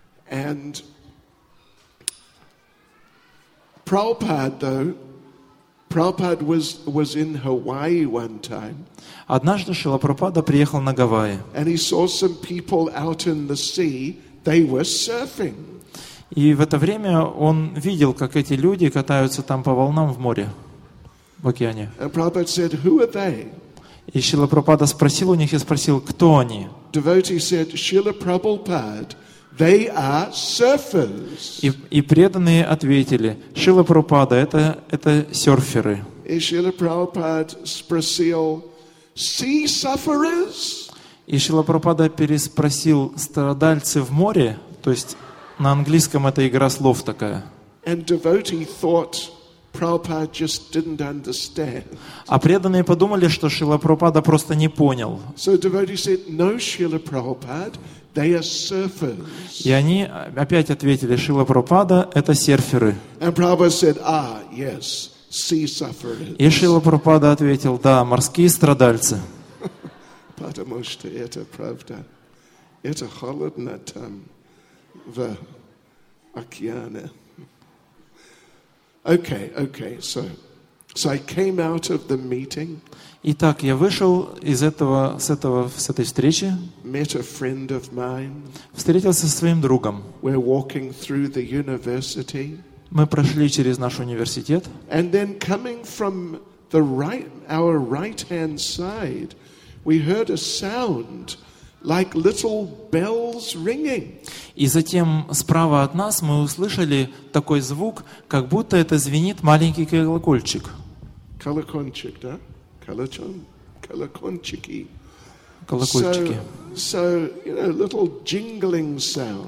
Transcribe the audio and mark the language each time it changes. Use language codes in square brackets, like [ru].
[en] And Prabhupada, though, Prabhupada was in Hawaii one time. [ru] Однажды Шрила Прабхупада приехал на Гавайи. [en] And he saw some people out in the sea. They were surfing. [ru] И в это время он видел, как эти люди катаются там по волнам в море, в океане. [en] And Prabhupada said, "Who are they?" [ru] И Шрила Прабхупада спросил у них и спросил, кто они. [en] Devotee said, "Shrila Prabhupada, they are surfers." [ru] И преданные ответили, Шрила Прабхупада, это серферы. И Шрила Прабхупада спросил, [en] "Sea sufferers?" [ru] И Шрила Прабхупада переспросил, страдальцы в море, то есть на английском это игра слов такая. [en] And devotee thought, Prabhupada just didn't understand. [ru] А преданные подумали, что Шрила Прабхупада просто не понял. [en] So devotee said, "No, Srila Prabhupada, they are surfers." [ru] И они опять ответили, Шрила Прабхупада — это серферы. [en] And Prabhupada said, "Ah, yes, sea sufferers." [ru] И Шрила Прабхупада ответил, да, морские страдальцы. Потому что это правда. Это холодно там, в океане. [en] Okay. So I came out of the meeting. [ru] Итак, я вышел из этого, с этой встречи. [en] Met a friend of mine. [ru] Встретился со своим другом. [en] We're walking through the university. [ru] Мы прошли через наш университет. [en] And then coming from the right, our right-hand side, we heard a sound like little bells ringing. [ru] И затем справа от нас мы услышали такой звук, как будто это звенит маленький колокольчик. Колокольчик, да? Колокольчики. Колокольчики. [en] So, you know, little jingling sound.